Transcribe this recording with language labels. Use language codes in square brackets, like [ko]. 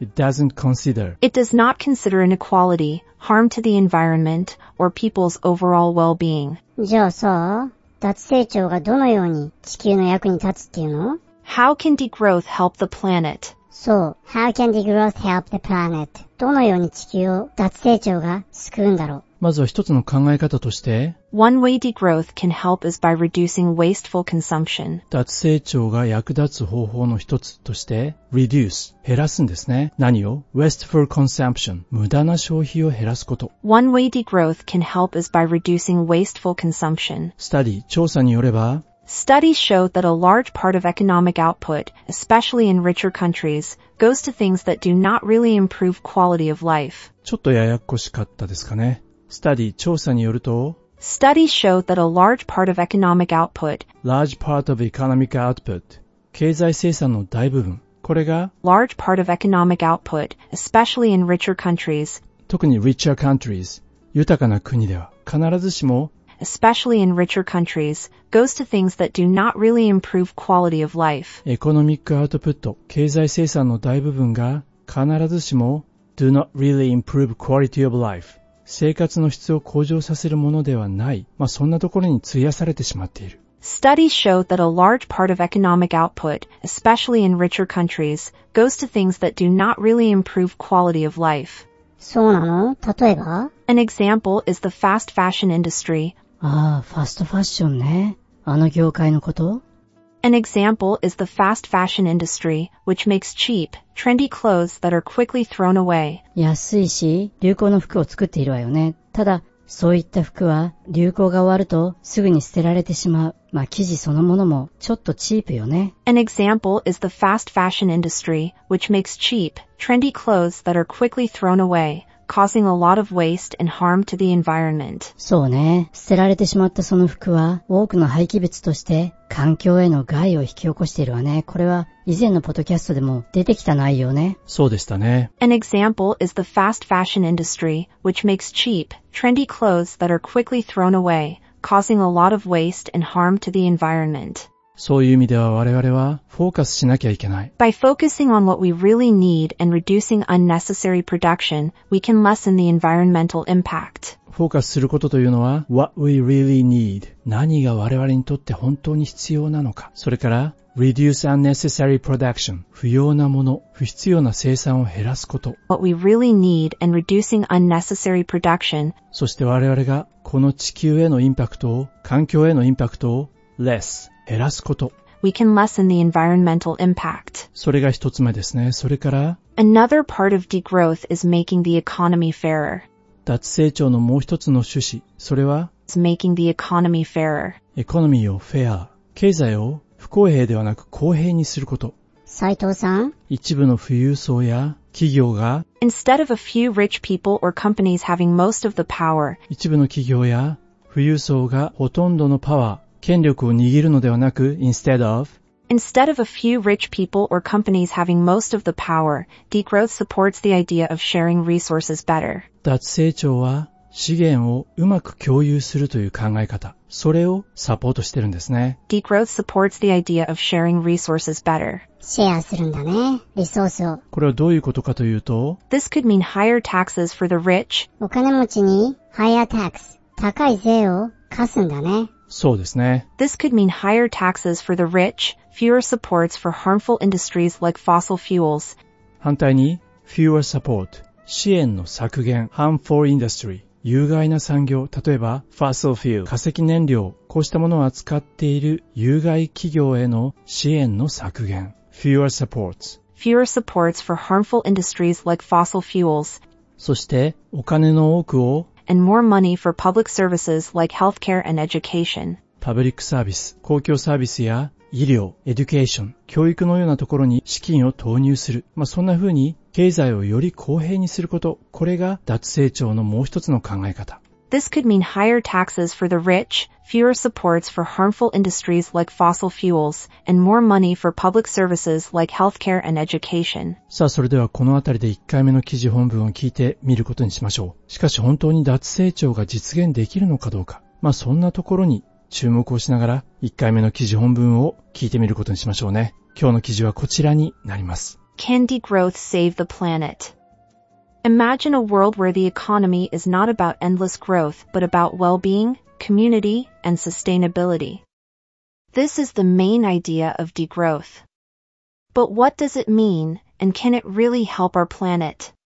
[en] It doesn't consider. It does not consider inequality, harm to the environment, or people's overall well-being. [ja] じゃあさ脱成長がどのように地球の役に立つっていうの? [en] How can degrowth help the planet? そう、How can degrowth help the planet? [ja] どのように地球を脱成長が救うんだろう? まずは一つの考え方として [en] One way degrowth can help is by reducing wasteful consumption. [ja] 脱成長が役立つ方法の一つとして reduce 減らすんですね。何を? [en] wasteful consumption [ja] 無駄な消費を減らすこと。 [en] One way degrowth can help is by reducing wasteful consumption. [ja] study 調査によれば [en] Studies show that a large part of economic output, especially in richer countries, goes to things that do not really improve quality of life. [ja] ちょっとややこしかったですかね。study 調査によると [en] Studies show that a large part of economic output Large part of economic output [ja] 経済生産の大部分これが [en] Large part of economic output especially in richer countries [ja] 特に [en] richer countries [ja] 豊かな国では必ずしも [en] Especially in richer countries goes to things that do not really improve quality of life Economic output [ja] 経済生産の大部分が必ずしも [en] Do not really improve quality of life [ja] 生活の質を向上させるものではない。まあ、そんなところに費やされてしまっている。 [en] Studies show that a large part of economic output, especially in richer countries, goes to things that do not really improve quality of life. [ja] そうなの?例えば? [en] An example is the fast fashion industry. [ja] ああ、ファストファッションね。あの業界のこと? [en] An example is the fast fashion industry, which makes cheap. Trendy clothes that are quickly thrown away. [ja] 安いし、流行の服を作っているわよね。ただ、そういった服は流行が終わるとすぐに捨てられてしまう。まあ、生地そのものもちょっとチープよね。 An example is the fast fashion industry, which makes cheap, trendy clothes that are quickly thrown away, causing a lot of waste and harm to the environment. そうね。捨てられてしまったその服は多くの廃棄物として環境への害を引き起こしているわね。これは以前のポッドキャストでも出てきた内容ね。そうでしたね。 [en] An example is the fast fashion industry, which makes cheap, trendy clothes that are quickly thrown away, causing a lot of waste and harm to the environment. [ja] そういう意味では我々はフォーカスしなきゃいけない。 [en] By focusing on what we really need and reducing unnecessary production, we can lessen the environmental impact. [ja] フォーカスすることというのは [en] What we really need [ja] 何が我々にとって本当に必要なのかそれから [en] Reduce unnecessary production [ja] 不要なもの不必要な生産を減らすこと [en] What we really need and reducing unnecessary production [ja] そして我々がこの地球へのインパクトを環境へのインパクトを Less 減らすこと [en] We can lessen the environmental impact [ja] それが一つ目ですねそれから [en] Another part of degrowth is making the economy fairer [ja] 脱成長のもう一つの趣旨、それは [en] It's making the economy fairer. [ja] エコノミーをフェア、経済を不公平ではなく公平にすること。斉藤さん、一部の富裕層や企業が [en] Instead of a few rich people or companies having most of the power. [ja] 一部の企業や富裕層がほとんどのパワー、権力を握るのではなく [en] Instead of a few rich people or companies having most of the power, degrowth supports the idea of sharing resources better. [ja] 脱成長は資源をうまく共有するという考え方、それをサポートしてるんですね。 [en] Degrowth supports the idea of sharing resources better. [ja] シェアするんだね、リソースを。これはどういうことかというと、 [en] This could mean higher taxes for the rich. [ja] お金持ちに [en] higher tax、 [ja] 高い税を課すんだね。そうですね。 [en] This could mean higher taxes for the rich, fewer supports for harmful industries like fossil fuels. [ja] 反対に、 [en] fewer support、 [ja] 支援の削減、 [en] harmful industry、 [ja] 有害な産業、例えば、 [en] fossil fuel、 [ja] 化石燃料、こうしたものを扱っている有害企業への支援の削減、 [en] fewer supports。 Fewer supports for harmful industries like fossil fuels。 [ja] そして、お金の多くを [en] And more money for public services like healthcare and education. Public service, [ja] 公共サービスや医療、education, 教育のようなところに資金を投入する。まあ、そんな風に経済をより公平にすること。これが脱成長のもう一つの考え方。 [en] This could mean higher taxes for the rich, fewer supports for harmful industries like fossil fuels, and more money for public services like healthcare and education. [ja] さあ、それではこのあたりで1回目の記事本文を聞いてみることにしましょう。しかし本当に脱成長が実現できるのかどうか。まあそんなところに注目をしながら1回目の記事本文を聞いてみることにしましょうね。今日の記事はこちらになります。 [en] Can degrowth save the planet? Imagine a world where the economy is not about endless growth, but about well-being, community, and sustainability. This is the main idea of degrowth. But what does it mean, and can it really help our planet?